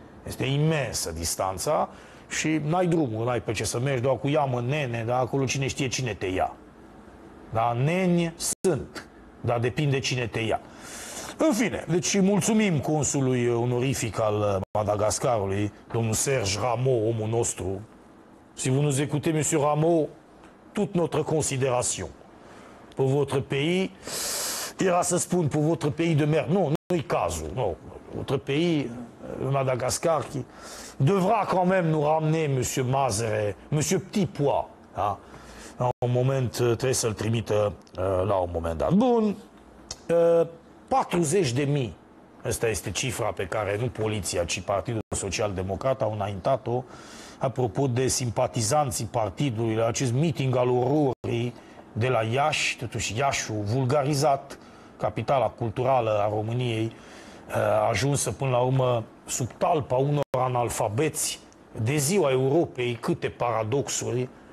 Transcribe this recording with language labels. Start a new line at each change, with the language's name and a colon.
Romanian: Este imensă distanța și n-ai drumul, n-ai pe ce să mergi, doar cu iamă, nene, dar acolo cine știe cine te ia. Dar neni sunt, dar depinde cine te ia. În fine, deci mulțumim consului onorific al Madagascarului, domnul Serge Rameau, omul nostru.
French: Si vous nous écoutez, monsieur Rameau, toute notre considération pour votre pays.
Romanian: Era să spun
French: pour votre pays de mer.
Romanian: Nu-i cazul. Nu.
French: Votre pays, Madagascar, qui devra quand même nous ramener monsieur Mazere, monsieur Petit Pois, da?
Romanian: La un moment, trebuie să-l trimită la un moment dat. Bun. 40.000. Asta este cifra pe care nu poliția, ci Partidul Social Democrat au înaintat-o apropo de simpatizanții partidului la acest meeting al ororii de la Iași, totuși Iașiul vulgarizat, capitala culturală a României, a ajuns până la urmă sub talpa unor analfabeți de Ziua Europei, câte paradoxuri.